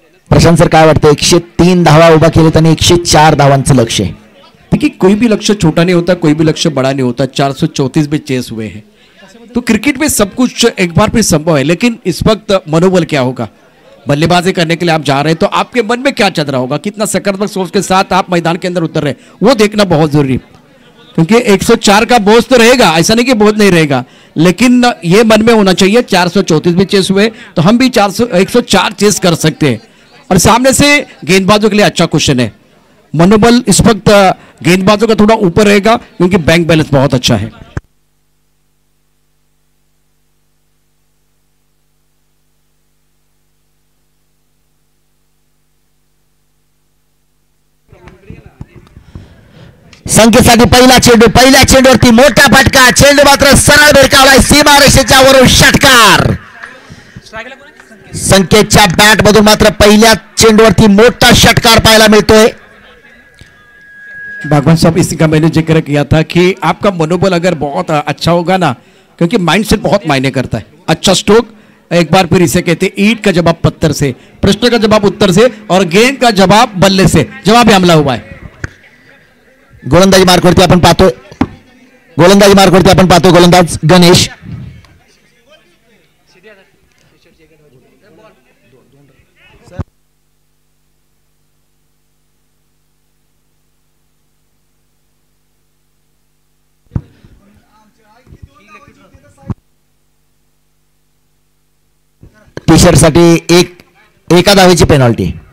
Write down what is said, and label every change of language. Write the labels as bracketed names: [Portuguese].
[Marathi] Prashant sir काय वाटतं, 103 धावा उभा केले त्यांनी, 104 धावांचं लक्ष आहे, [Hindi] देखिए कोई भी लक्ष्य छोटा नहीं होता, कोई भी लक्ष्य बड़ा नहीं होता, 434 में चेस हुए हैं, तो क्रिकेट में सब कुछ एक बार फिर संभव है, लेकिन इस वक्त मनोबल क्या होगा, बल्लेबाजी करने के लिए आप जा रहे हैं तो आपके मन में क्या चल रहा होगा, कितना सकारात्मक सोच के साथ आप मैदान के अंदर उतर रहे हैं वो देखना बहुत जरूरी, क्योंकि 104 का बोझ तो रहेगा, ऐसा नहीं कि बोझ नहीं रहेगा, लेकिन ये मन में होना चाहिए 434 में चेस हुए तो हम भी 104 चेस कर सकते हैं। और सामने से गेंदबाजों के लिए अच्छा क्वेश्चन है, मनोबल इस वक्त गेंदबाजों का थोड़ा ऊपर रहेगा क्योंकि बैंक बैलेंस बहुत अच्छा है। [Marathi] संख्येसाठी पहिला चेंडू, पहिल्या चेंडूवरती मोठा फटका, चेंडू मात्र सरळ भिरकावलाय सीमा रेषेच्या वरून, षटकार। संख्येच्या बॅट मधून मात्र पहिल्या चेंडूवरती मोठा षटकार पाहायला मिळतोय। [Hindi] भगवान साहब इसी का मैंने जिक्र किया था कि आपका मनोबल अगर बहुत अच्छा होगा ना, क्योंकि माइंड सेट बहुत मायने करता है। अच्छा स्ट्रोक, एक बार फिर इसे कहते हैं ईट का जवाब पत्थर से, प्रश्न का जवाब उत्तर से और गेंद का जवाब बल्ले से, जवाब ही हमला हुआ है। [Marathi] गोलंदाजी मार्क करते अपन पातो, गोलंदाजी मार्क करते अपन पातो, गोलंदाज गणेश टीशर्ट साठी एक एका धावेची पेनल्टी।